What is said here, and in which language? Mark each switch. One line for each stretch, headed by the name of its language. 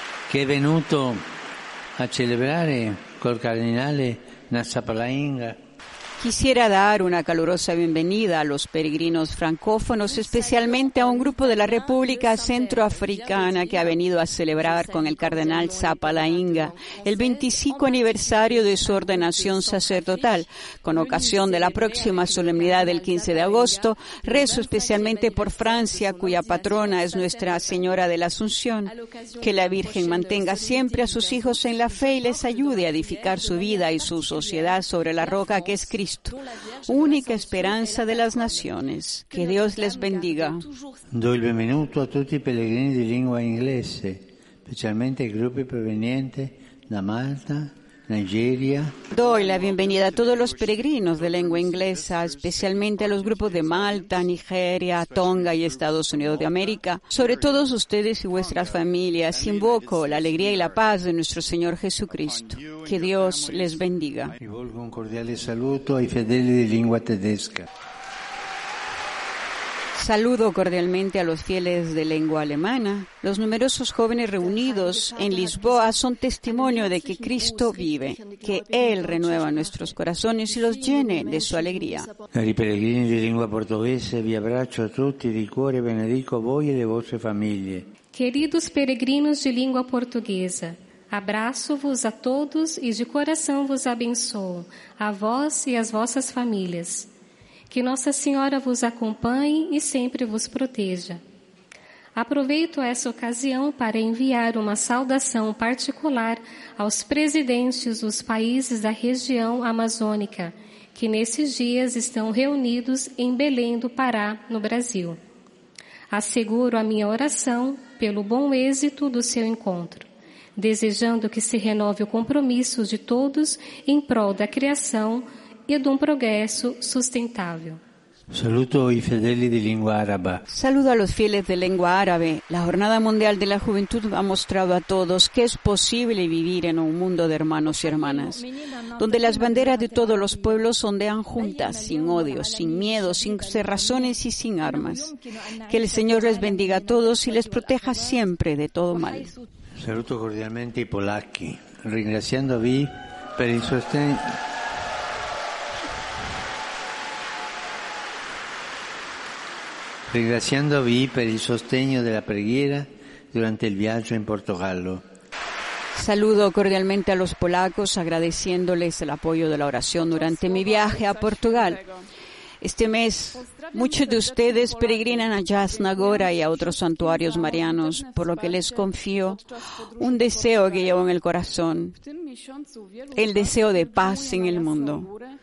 Italian: Che venuto a celebrare col cardinale Nazapalainga.
Spanish: Quisiera dar una calurosa bienvenida a los peregrinos francófonos, especialmente a un grupo de la República Centroafricana que ha venido a celebrar con el cardenal Zapalainga el 25 aniversario de su ordenación sacerdotal. Con ocasión de la próxima solemnidad del 15 de agosto, rezo especialmente por Francia, cuya patrona es Nuestra Señora de la Asunción. Que la Virgen mantenga siempre a sus hijos en la fe y les ayude a edificar su vida y su sociedad sobre la roca que es Cristo, única esperanza de las naciones. Que Dios les bendiga. Doy el bienvenido a todos los peregrinos de lengua inglesa, especialmente grupos provenientes de Malta, Nigeria. Doy la bienvenida a todos los peregrinos de lengua inglesa, especialmente a los grupos de Malta, Nigeria, Tonga y Estados Unidos de América, sobre todo ustedes y vuestras familias. Invoco la alegría y la paz de nuestro Señor Jesucristo. Que Dios les bendiga.
Italian: Rivolgo un cordial saludo ai fedeli di lingua tedesca.
Spanish: Saludo cordialmente a los fieles de lengua alemana. Los numerosos jóvenes reunidos en Lisboa son testimonio de que Cristo vive, que Él renueva nuestros corazones y los llene de su alegría.
Italian: Cari peregrini di lingua portoghese, vi abbraccio a tutti di cuore, benedico voi e le vostre famiglie.
Spanish: Queridos peregrinos de lengua portuguesa,
Portuguese: abraço-vos a todos e de coração vos abençoo, a vós e as vossas famílias. Que Nossa Senhora vos acompanhe e sempre vos proteja. Aproveito essa ocasião para enviar uma saudação particular aos presidentes dos países da região amazônica, que nesses dias estão reunidos em Belém do Pará, no Brasil. Asseguro a minha oração pelo bom êxito do seu encontro, desejando que se renove o compromisso de todos em prol da criação e de um progresso sustentável.
Italian: Saluto i fedeli di lingua araba.
Spanish: Saludo a los fieles de lengua árabe. La Jornada Mundial de la Juventud ha mostrado a todos que es posible vivir en un mundo de hermanos y hermanas, donde las banderas de todos los pueblos ondean juntas, sin odio, sin miedo, sin cerrazones y sin armas. Que el Señor les bendiga a todos y les proteja siempre de todo mal.
Italian: Saluto cordialmente i polacchi, ringraziandovi per il sostegno. Ringraziandovi per il sostegno della preghiera durante il viaggio in Portogallo.
Spanish: Saludo cordialmente a los polacos, agradeciéndoles el apoyo de la oración durante mi viaje a Portugal. Este mes, muchos de ustedes peregrinan a Jasnagora y a otros santuarios marianos, por lo que les confío un deseo que llevo en el corazón, el deseo de paz en el mundo.